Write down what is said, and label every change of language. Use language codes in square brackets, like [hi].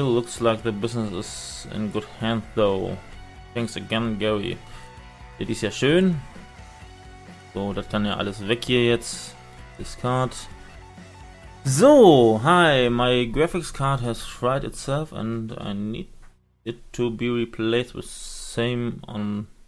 [en] Looks like the business is in good hands though. Thanks again, Gary. [de] Das ist ja schön. So, das kann ja alles weg hier jetzt. [en] Discard. So, hi, my graphics card has fried itself and I need it to be replaced with same on.